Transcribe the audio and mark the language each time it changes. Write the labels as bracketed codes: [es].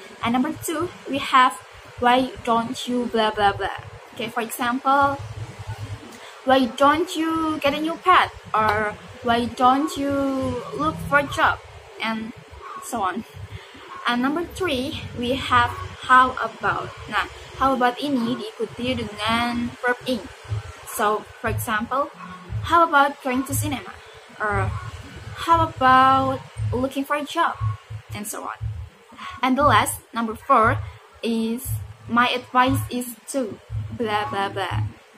[en] And number two, we have why don't you blah blah blah. Okay, for example, why don't you get a new pet or why don't you look for a job and so on. And number three, we have how about. [id] Nah, how about ini diikuti dengan verb ing. [en] So, for example, how about going to cinema or how about looking for a job and so on. And the last, number four, is my advice is to blah blah blah.